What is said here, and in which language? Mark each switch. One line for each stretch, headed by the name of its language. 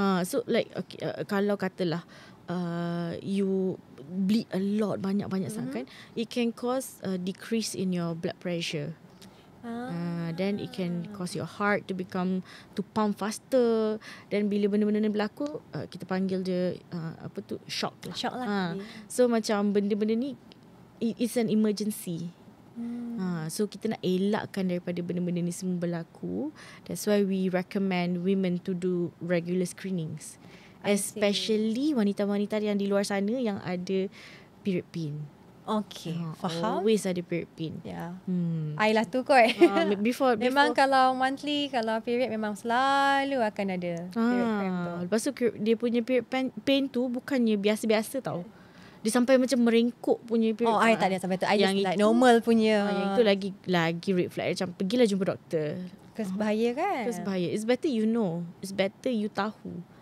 English: So like, okay,
Malay: kalau katalah
English: you bleed a lot,
Malay: banyak-banyak sangat,
English: it can cause a decrease in your blood pressure. Then it can cause your heart to become to pump faster.
Malay: Then bila benda-benda ni berlaku, kita panggil dia shock lah. Shock lah. So macam benda-benda ni,
English: it's an emergency.
Malay: So kita nak elakkan daripada benda-benda ni semua berlaku.
English: That's why we recommend women to do regular screenings.
Malay: Especially wanita-wanita yang di luar sana yang ada period pain. Okay, faham. Always ada period pain. I lah tu kot.
English: Before.
Malay: Memang kalau monthly, kalau period memang selalu akan ada period pain tu. Lepas tu dia punya period pain tu bukannya biasa-biasa tau. Dia sampai macam merengkuk punya period. I tak ada sampai tu. I yang just itu, like normal punya. Yang itu lagi red flag. Macam pergilah jumpa doktor. Kes bahaya kan? Kes bahaya.
English: It's better you know. It's better you tahu.